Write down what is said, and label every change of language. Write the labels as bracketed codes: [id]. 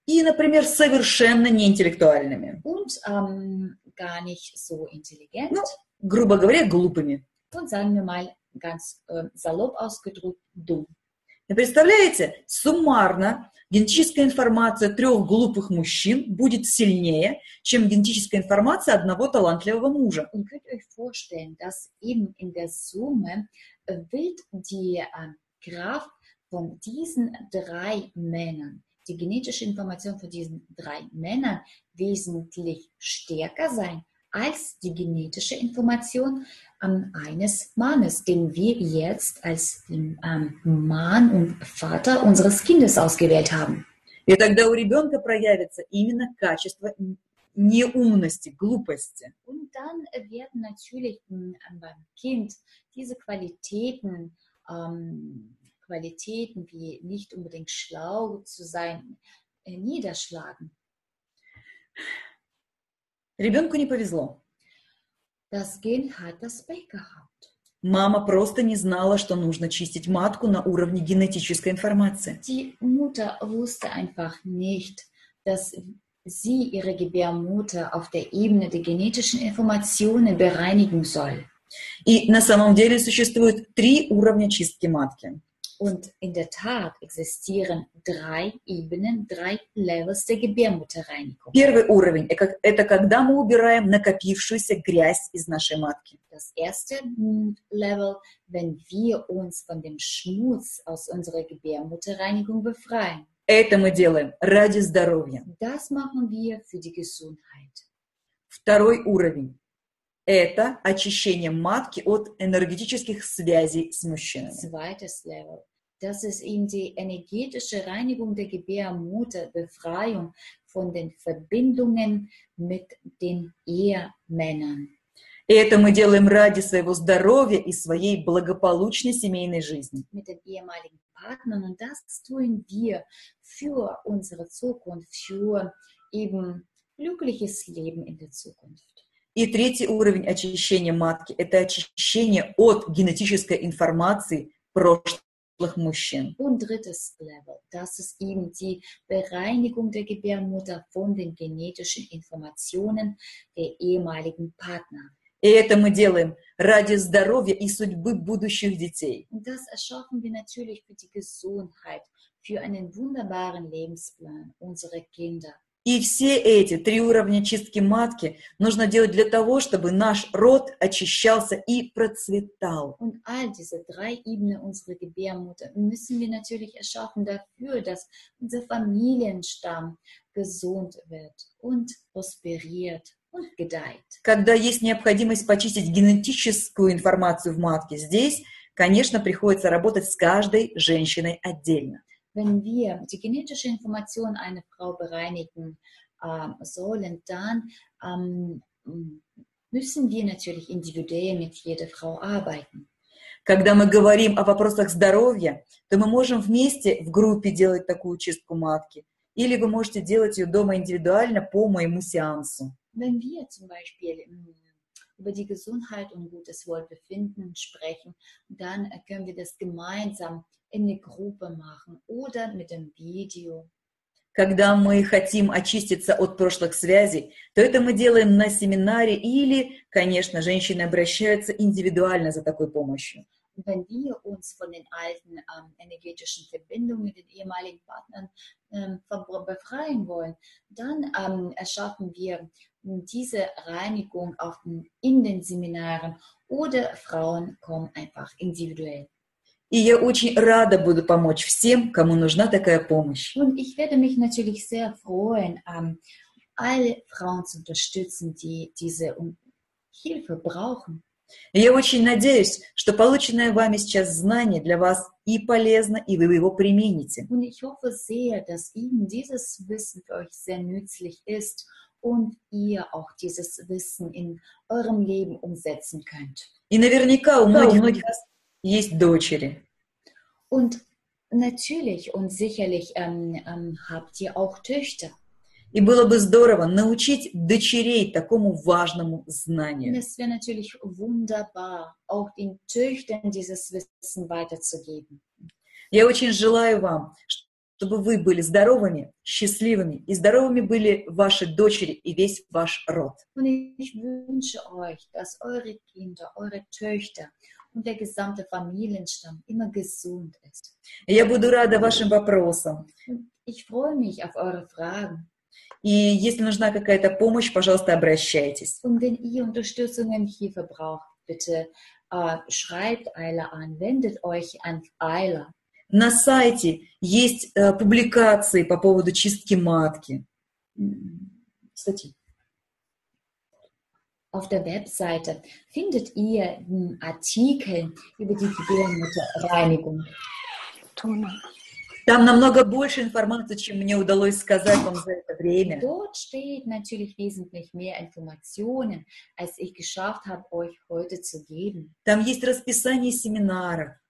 [ru] И, например, совершенно неинтеллектуальными. [de] Und gar nicht so intelligent. [ru] Ну, грубо говоря, глупыми. [de] Und sagen wir mal, ganz salopp ausgedrückt, dumm. [ru] И представляете, суммарно генетическая информация трех глупых мужчин будет сильнее, чем генетическая информация одного талантливого мужа. [de] Und könnt ihr euch vorstellen, dass eben in der Summe wird die Kraft von diesen drei Männern, die genetische Information von diesen drei Männern, wesentlich stärker sein als die genetische Information eines Mannes, den wir jetzt als den Mann und Vater unseres Kindes ausgewählt haben. [ru] И тогда у ребенка проявится именно качество неумности, глупости. [de] Und dann werden natürlich beim Kind diese Qualitäten, Qualitäten wie nicht unbedingt schlau zu sein, niederschlagen. [ru] Ребенку не повезло. [de] Das Kind hat das Pech gehabt. [ru] Мама просто не знала, что нужно чистить матку на уровне генетической информации. [de] Die Mutter wusste einfach nicht, dass sie ihre Gebärmutter auf der Ebene der genetischen Informationen bereinigen soll. [ru] И на самом деле существует три уровня чистки матки. [de] Und in der Tat existieren drei Ebenen, drei Levels der Gebärmutterreinigung. [ru] Первый уровень – это когда мы убираем накопившуюся грязь из нашей матки. [de] Das erste Level, wenn wir uns von dem Schmutz aus unserer Gebärmutterreinigung befreien. [ru] Это мы делаем ради здоровья. [de] Das machen wir für die Gesundheit. [ru] Второй уровень – это очищение матки от энергетических связей с мужчинами. [de] Zweites Level. Das ist eben die energetische Reinigung der Gebärmutter, Befreiung von den Verbindungen mit den Ehemännern. [ru] Это мы делаем ради своего здоровья и своей благополучной семейной жизни. [de] Mit den ehemaligen Partnern, und das tun wir für unsere Zukunft, für eben glückliches Leben in der Zukunft. [ru] И третий уровень очищения матки – это очищение от генетической информации прошлых мужчин. [de] Und drittes Level, das ist eben die Bereinigung der Gebärmutter von den genetischen Informationen der ehemaligen Partner. [ru] И это мы делаем ради здоровья и судьбы будущих детей. [de] Das erschaffen wir natürlich für die Gesundheit, für einen wunderbaren Lebensplan unserer Kinder. [ru] И все эти три уровня чистки матки нужно делать для того, чтобы наш род очищался и процветал. [de] Und all diese drei Ebenen unserer Gebärmutter müssen wir natürlich erschaffen dafür, dass unser Familienstamm gesund wird und prosperiert. [ru] Когда есть необходимость почистить генетическую информацию в матке, здесь, конечно, приходится работать с каждой женщиной отдельно. [de] Wenn wir die genetische Information einer Frau bereinigen sollen, dann müssen wir natürlich individuell mit jeder Frau arbeiten. [ru] Когда мы говорим о вопросах здоровья, то мы можем вместе в группе делать такую чистку матки, или вы можете делать ее дома индивидуально по моему сеансу. [de] Wenn wir zum Beispiel über die Gesundheit und gutes Wohlbefinden sprechen, dann können wir das gemeinsam in eine Gruppe machen oder mit einem Video. [ru] Когда мы хотим очиститься от прошлых связей, то это мы делаем на семинаре или, конечно, женщины обращаются индивидуально за такой помощью. [de] Wenn wir uns von den alten energetischen Verbindungen mit den ehemaligen Partnern befreien wollen, dann erschaffen wir diese Reinigung auf den, in den Seminaren oder Frauen kommen einfach individuell. [ru] И я очень рада буду помочь всем, кому нужна такая помощь. [de] Und ich werde mich natürlich sehr freuen, alle Frauen zu unterstützen, die diese Hilfe brauchen. [ru] Я очень надеюсь, что полученное вами сейчас знание для вас и полезно, и вы его примените. [de] Und ich hoffe sehr, dass Ihnen dieses Wissen für euch sehr nützlich ist und ihr auch dieses Wissen in eurem Leben umsetzen könnt. [ru] И наверняка у многих вас есть дочери. [de] Und natürlich und sicherlich habt ihr auch Töchter. [ru] И было бы здорово научить дочерей такому важному знанию. [de] Es wäre natürlich wunderbar, auch den Töchtern dieses Wissen weiterzugeben. [ru] Я очень желаю вам, чтобы вы были здоровыми, счастливыми, и здоровыми были ваши дочери и весь ваш род. [de] Und ich wünsche euch, dass eure Kinder, eure Töchter und der gesamte Familienstamm immer gesund ist. [ru] Я буду рада вашим вопросам. [de] Ich freue mich auf eure Fragen. [ru] И если нужна какая-то помощь, пожалуйста, обращайтесь. [de] Und wenn ihr Unterstützung und Hilfe braucht, bitte schreibt Ayla an, wendet euch an Ayla. [ru] На сайте есть публикации по поводу чистки матки. Статьи. [de] Auf der Webseite findet ihr einen Artikel über die Gebärmutterreinigung. [ru] Тона. Там намного больше информации, чем мне удалось сказать вам за это время. [de] Dort steht natürlich wesentlich mehr Informationen, als ich geschafft habe, euch heute zu geben. [ru] Там есть расписание семинара.